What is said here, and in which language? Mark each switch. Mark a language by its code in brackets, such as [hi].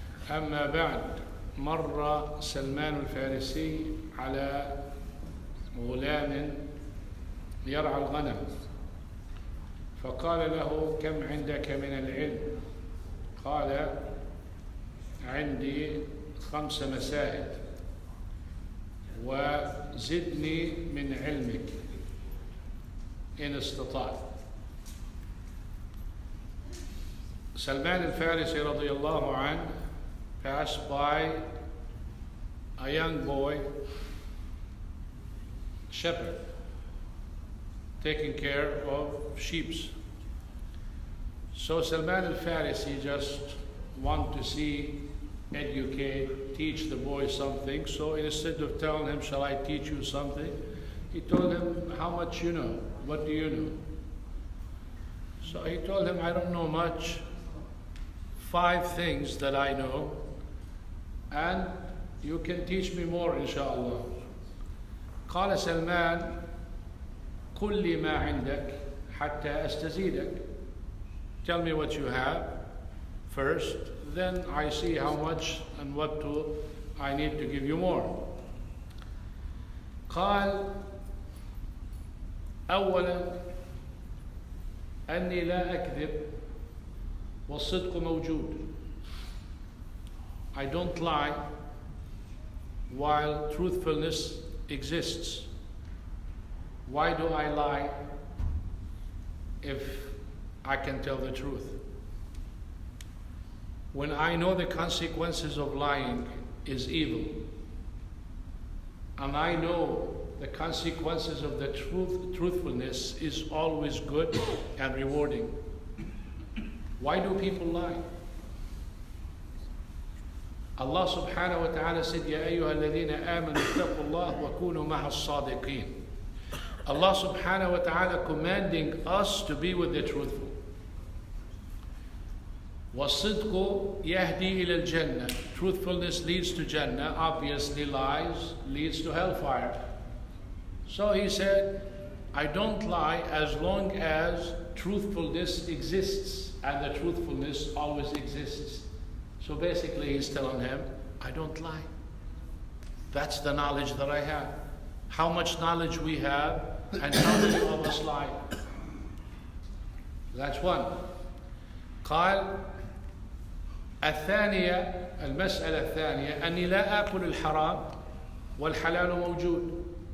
[ar] أما بعد، مر سلمان الفارسي على غلام يرعى الغنم فقال له: كم عندك من العلم؟ قال: عندي 5 مسائل وزدني من علمك إن استطاع. [en] سلمان الفارسي [ar] رضي الله عنه [en] passed by a young boy shepherd taking care of sheep. So Salman al-Farisi just want to see, educate, teach the boy something. So instead of telling him, shall I teach you something? He told him, how much you know? What do you know? So he told him, I don't know much. 5 things that I know. And you can teach me more, inshallah. [ar] قال سلمان قل لي ما عندك حتى أستزيدك. [en] Tell me what you have first, then I see how much and what to I need to give you more. [ar] قال أولا أني لا أكذب والصدق موجود. [en] I don't lie while truthfulness exists. Why do I lie if I can tell the truth? When I know the consequences of lying is evil, and I know the consequences of the truthfulness is always good and rewarding, why do people lie? [ar] Allah subhanahu wa ta'ala said, يَا أَيُّهَا الَّذِينَ آمَنُوا اتَّقُوا اللَّهُ وَكُونُوا مَعَ الصَّادِقِينَ. [en] Allah subhanahu wa ta'ala commanding us to be with the truthful. [ar] وَالصِّدْقُ يَهْدِي إِلَى الْجَنَّةِ. [en] Truthfulness leads to Jannah. Obviously, lies leads to hellfire. So he said, I don't lie as long as truthfulness exists, and the truthfulness always exists. So basically, he's telling him, I don't lie. That's the knowledge that I have. How much knowledge we have, and how many of us lie. That's one. [ar] قال الثانية المسألة الثانية أني لا أكل الحرام والحلال موجود.